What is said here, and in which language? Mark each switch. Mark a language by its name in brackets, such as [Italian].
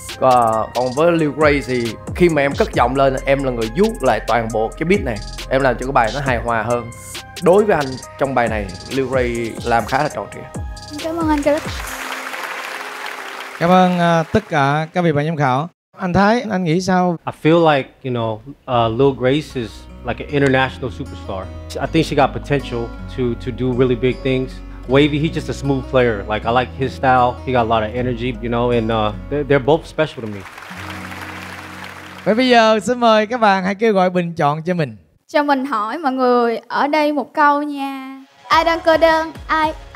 [Vietnamese] Còn với Lil Grace thì khi mà em cất giọng lên, em là người vuốt lại toàn bộ cái beat này, em làm cho cái bài nó hài hòa hơn. Đối với anh trong bài này, Lil Grace làm khá là trọn trịa. Cảm ơn anh rất. Cảm ơn tất cả các vị ban giám khảo. Anh Thái, anh nghĩ sao? [English] I feel like, you know, Lil Grace is like an international superstar. I think she got potential to do really big things. Wavy, he's just a smooth player. Like, I like his style. He got a lot of energy, you know, and they're both special to me. [Vietnamese] Vậy bây giờ xin mời các bạn hãy kêu gọi bình chọn cho mình. Cho mình hỏi mọi người ở đây một câu nha. Ai đang cô đơn? Ai?